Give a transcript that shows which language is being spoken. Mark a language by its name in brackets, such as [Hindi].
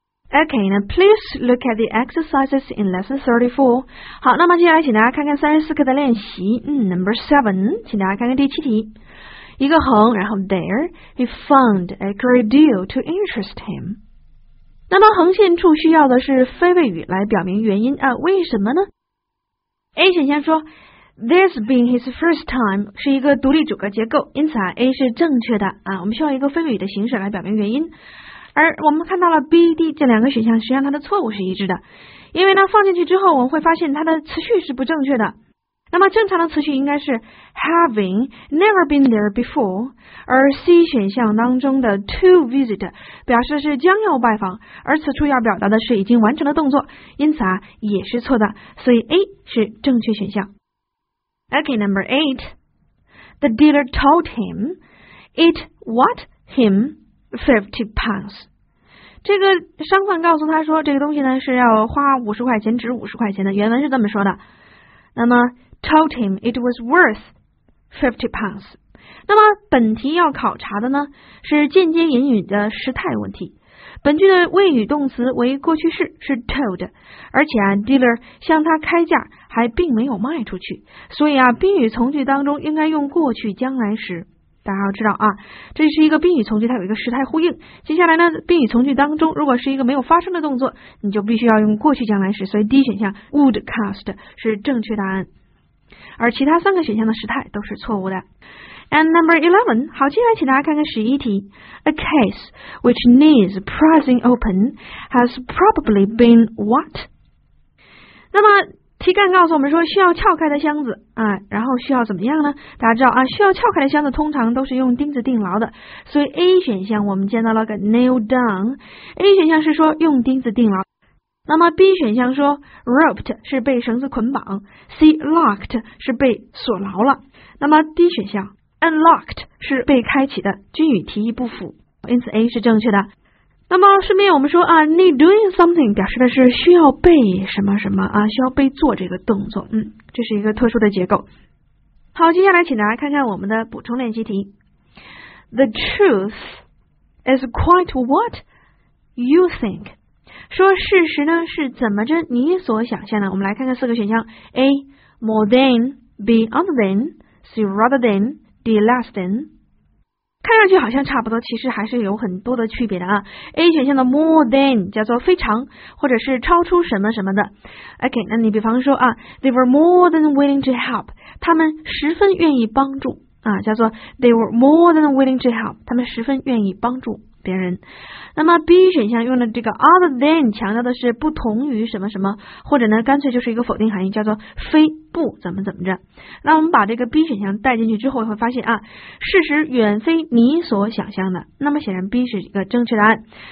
[English] Okay, now please look at the exercises in lesson 34. [Chinese] 好，那么接下来请大家看看34课的练习。 [English] Number 7, [Chinese] 请大家看看第七题。一个横，然后 [English] there, he found a great deal to interest him. [Chinese] 那么横线处需要的是非谓语来表明原因啊，为什么呢？ A 选项说 [English] this being his first time [Chinese] 是一个独立主格结构，因此啊 A 是正确的啊，我们需要一个非谓语的形式来表明原因。而我们看到了 B、D 这两个选项，实际上它的错误是一致的，因为呢放进去之后，我们会发现它的词序是不正确的。那么正常的词序应该是 [English] having never been there before， [Chinese] 而 C 选项当中的 to visit 表示的是将要拜访，而此处要表达的是已经完成的动作，因此啊也是错的，所以 A 是正确选项。 [English] Okay, number 8, the dealer told him it what him。 [Chinese] £50，这个商贩告诉他说，这个东西呢是要花50块钱，值50块钱的。原文是这么说的。 [English] 那么 told him it was worth £50。 [Chinese] 那么本题要考察的呢是间接引语的时态问题。本句的谓语动词为过去式，是 told， 而且啊 dealer 向他开价还并没有卖出去，所以啊宾语从句当中应该用过去将来时。大家要知道啊，这是一个宾语从句，它有一个时态呼应。接下来呢，宾语从句当中如果是一个没有发生的动作，你就必须要用过去将来时，所以 D 选项 would cost 是正确答案，而其他三个选项的时态都是错误的。 [English] And number 11， [Chinese] 好，接下来请大家看看11题。 [English] A case which needs pressing open has probably been what？ [Chinese] 那么题干告诉我们说，需要撬开的箱子啊，然后需要怎么样呢？大家知道啊，需要撬开的箱子通常都是用钉子钉牢的，所以 A 选项我们见到了个 nail down， A 选项是说用钉子钉牢。那么 B 选项说 roped 是被绳子捆绑， C locked 是被锁牢了。那么 D 选项 unlocked 是被开启的，均与题意不符，因此 A 是正确的。那么顺便我们说啊 ， [English] need doing something [Chinese] 表示的是需要被什么什么啊，需要被做这个动作，这是一个特殊的结构。好，接下来请大家看看我们的补充练习题。 [English] The truth is quite what you think。 [Chinese] 说事实呢是怎么着你所想象的？我们来看看四个选项 ：A more than， B other than， C rather than， D less than。看上去好像差不多，其实还是有很多的区别的啊。A 选项的 more than 叫做非常，或者是超出什么什么的。 OK， 那你比方说啊 ， [English] they were more than willing to help， [Chinese] 他们十分愿意帮助啊，叫做 [English] they were more than willing to help， [Chinese] 他们十分愿意帮助别人。那么 B 选项用的这个 other than 强调的是不同于什么什么，或者呢干脆就是一个否定含义，叫做非不怎么怎么着。那我们把这个 B 选项带进去之后，会发现啊事实远非你所想象的，那么显然 B 是一个正确答案。